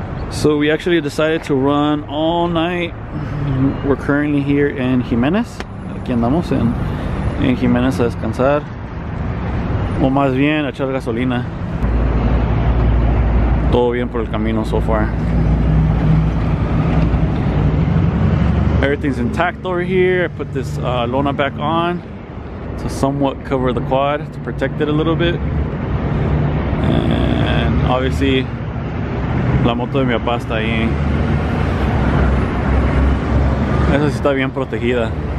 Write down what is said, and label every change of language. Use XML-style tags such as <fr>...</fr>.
<en>So we actually decided to run all night. We're currently here in Jimenez.</en> <es>Aquí andamos en Jimenez a descansar. O más bien a echar gasolina. Todo bien por el camino</es> <en>so far. Everything's intact over here. I put this lona back on to somewhat cover the quad, to protect it a little bit. And obviously,</en> <es>la moto de mi papá está ahí. Esa sí está bien protegida.</es>